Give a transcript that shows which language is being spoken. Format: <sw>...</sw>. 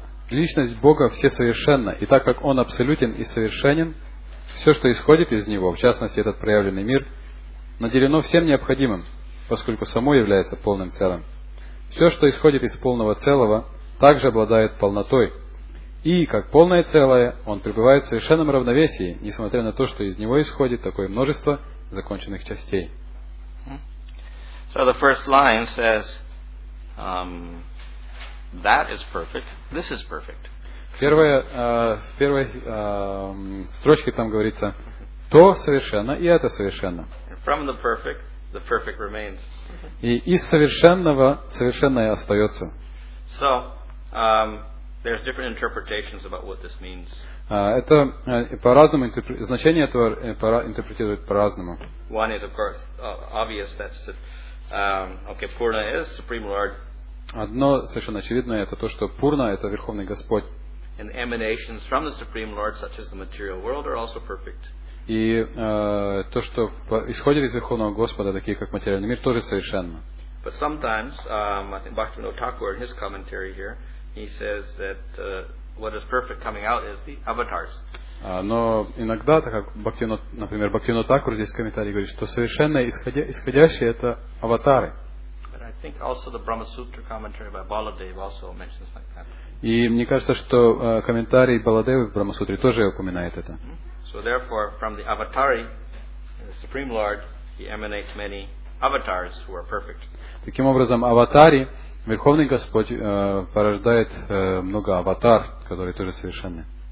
<ru>Личность Бога всесовершенна, и так как Он абсолютен и совершенен, все, что исходит из Него, в частности, этот проявленный мир, наделено всем необходимым, поскольку само является полным целым. Все, что исходит из полного целого, также обладает полнотой. И, как полное целое, он пребывает в совершенном равновесии, несмотря на то, что из него исходит такое множество законченных частей.</ru> <en>So the first line says, that is perfect, this is perfect.</en> <ru>В первой строчке там говорится, то совершенно и это совершенно.</ru> <en>From the perfect remains.</en> <ru>И из совершенного совершенное остается.</ru> <en>So, there's different interpretations about what this means.</en> <ru>Это по-разному значение этого интерпретируют по-разному.</ru> <en>One is, of course, obvious. That's the, okay. Purna is Supreme Lord.</en> <ru>Одно совершенно очевидное это то, что Пурна это Верховный Господь.</ru> <en>And emanations from the Supreme Lord, such as the material world, are also perfect.</en> <ru>И то, что исходит из Верховного Господа, такие как материальный мир, тоже совершенно.</ru> <en>But sometimes, I think Bhaktivinoda Thakur in his commentary here, he says that what is perfect coming out is the avatars.</en> <ru>Но иногда, так как Бхактивинода Такур здесь в комментарии говорит, что совершенное исходящее это аватары.</ru> <en>But I think also the Brahma Sutra commentary by Baladeva also mentions like that.</en> <ru>И мне кажется, что комментарий Баладевы в Брахма Сутре тоже упоминает это.</ru> <en>So therefore, from the avatari, the Supreme Lord, he emanates many avatars who are perfect.</en> <ru>Таким образом, аватари, Верховный Господь порождает много аватар, которые тоже совершенны.</ru>